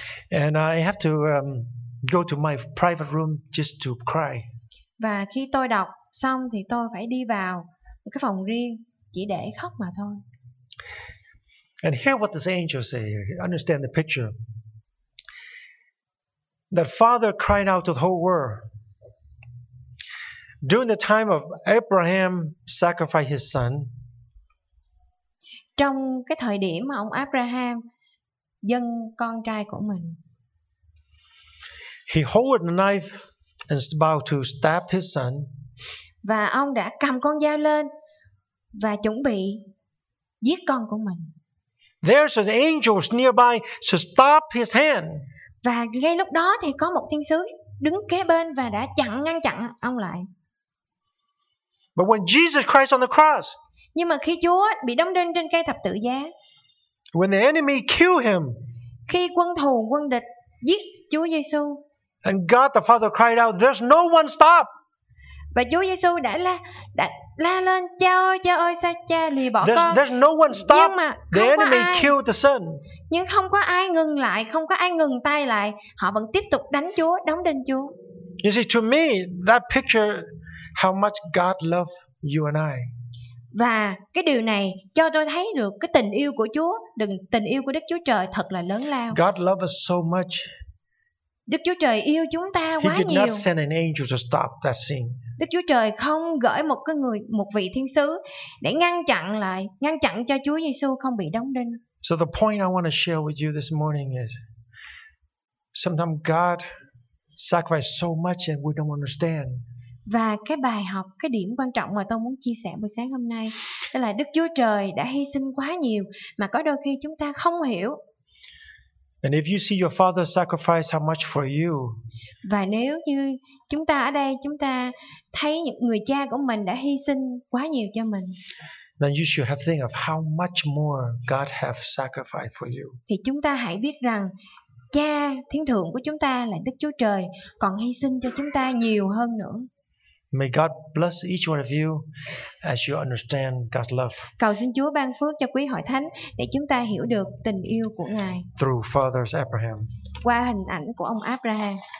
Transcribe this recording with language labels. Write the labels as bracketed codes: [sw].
[en] And I have to go to my private room just to cry. [vi] Và khi tôi đọc xong thì tôi phải đi vào một cái phòng riêng chỉ để khóc mà thôi. [en] And hear what this angel say. Understand the picture. That Father cried out to the whole world. During the time of Abraham sacrificed his son. [vi] Trong cái thời điểm mà ông Abraham dâng con trai của mình. [en] He held a knife and is about to stab his son. [vi] Và ông đã cầm con dao lên và chuẩn bị giết con của mình. [en] There's an angel nearby to stop his hand. [vi] Và ngay lúc đó thì có một thiên sứ đứng kế bên và đã chặn ngăn chặn ông lại. [en] But when Jesus Christ on the cross. [vi] Nhưng mà khi Chúa bị đóng đinh trên cây thập tự giá. [en] When the enemy kill him. [vi] Khi quân thù quân địch giết Chúa Giêsu. [en] And God the Father cried out, "There's no one stop." [vi] Và Chúa Giêsu đã la lên: Cha ơi, Cha ơi, sao Cha lìa bỏ con? [en] There's no one stop. The enemy killed the son. [vi] Nhưng không có ai ngừng lại, không có ai ngừng tay lại. Họ vẫn tiếp tục đánh Chúa, đóng đinh Chúa. [en] You see, to me, that picture how much God loves you and I. [vi] Và cái điều này cho tôi thấy được cái tình yêu của Chúa, tình yêu của Đức Chúa Trời thật là lớn lao. [en] God loves us so much. [vi] Đức Chúa Trời yêu chúng ta quá nhiều. [en] He did not send an angel to stop that sin. [vi] Đức Chúa Trời không gửi một cái người, một vị thiên sứ để ngăn chặn cho Chúa Giêsu không bị đóng đinh. [en] So the point I want to share with you this morning is sometimes God sacrificed so much and we don't understand. [vi] Và cái bài học, cái điểm quan trọng mà tôi muốn chia sẻ buổi sáng hôm nay đó là Đức Chúa Trời đã hy sinh quá nhiều mà có đôi khi chúng ta không hiểu. [en] And if you see your father sacrifice how much for you. [vi] Và nếu như chúng ta ở đây, chúng ta thấy những người cha của mình đã hy sinh quá nhiều cho mình. [en] Then you should have think of how much more God have sacrificed for you. [vi] Thì chúng ta hãy biết rằng Cha thiên thượng của chúng ta là Đức Chúa Trời còn hy sinh cho chúng ta nhiều hơn nữa. [en] May God bless each one of you as you understand God's love. [vi] Cầu xin Chúa ban phước cho quý hội thánh để chúng ta hiểu được tình yêu của Ngài. [en] Through Father Abraham. [vi] Qua hình ảnh của ông Abraham.